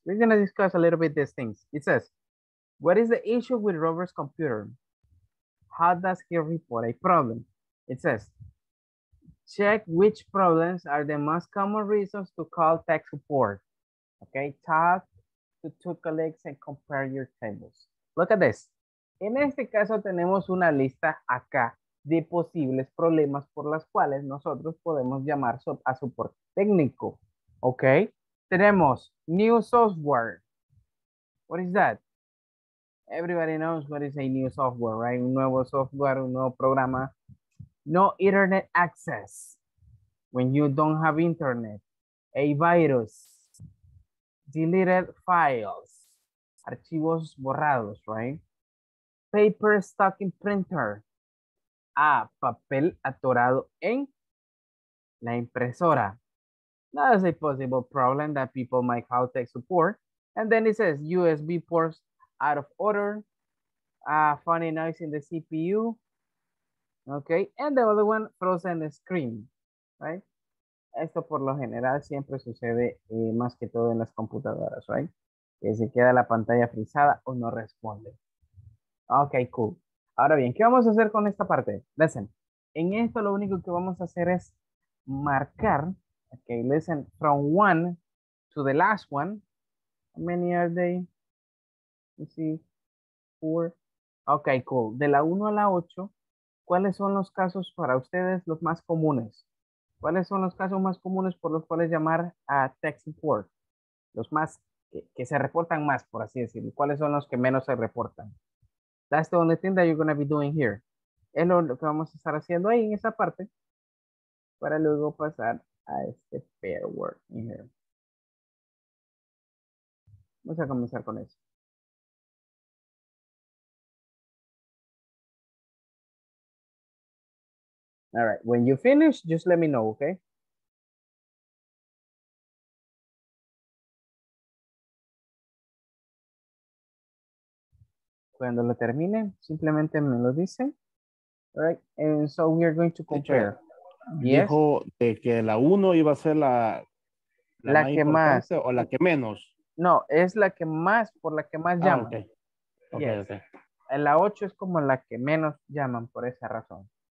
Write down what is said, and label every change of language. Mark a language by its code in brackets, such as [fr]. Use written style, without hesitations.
[en] We're gonna discuss a little bit these things. It says, what is the issue with Robert's computer? How does he report a problem? It says, check which problems are the most common reasons to call tech support. Okay, talk to two colleagues and compare your tables. Look at this. [es] En este caso, tenemos una lista acá de posibles problemas por las cuales nosotros podemos llamar a soporte técnico. [en] Okay. [es] Tenemos [en] new software. What is that? Everybody knows what is a new software, right? [es] Un nuevo software, un nuevo programa. [en] No internet access. When you don't have internet. A virus. Deleted files. [es] Archivos borrados, [en] right? Paper stuck in printer. [es] Ah, papel atorado en la impresora. [en] That is a possible problem that people might call tech support. And then it says USB ports out of order, funny noise in the CPU. Okay, and the other one, frozen screen, right? [es] Esto por lo general siempre sucede más que todo en las computadoras, [en] right? [es] Que se queda la pantalla frisada o no responde. [en] Okay, cool. [es] Ahora bien, ¿qué vamos a hacer con esta parte? Listen, en esto lo único que vamos a hacer es marcar. [en] Okay, listen, from one to the last one, how many are they? Let's see, four. Okay, cool. [es] De la 1 a la 8, ¿cuáles son los casos para ustedes los más comunes? ¿Cuáles son los casos más comunes por los cuales llamar a tech support? Los más, que se reportan más, por así decirlo. ¿Cuáles son los que menos se reportan? [en] That's the only thing that you're going to be doing here. [es] Es lo que vamos a estar haciendo ahí en esa parte para luego pasar a este [en] pair work in here. [es] Vamos a comenzar con eso. [en] All right, when you finish, just let me know, okay? [es] Cuando lo termine, simplemente me lo dice. [en] All right, and so we are going to compare. Yes. [es] Dijo de que la 1 iba a ser la más que más o la que menos. No, es la que más, por la que más llaman. [en] Ah, okay. Okay, yes. Okay. [es] La 8 es como la que menos llaman por esa razón.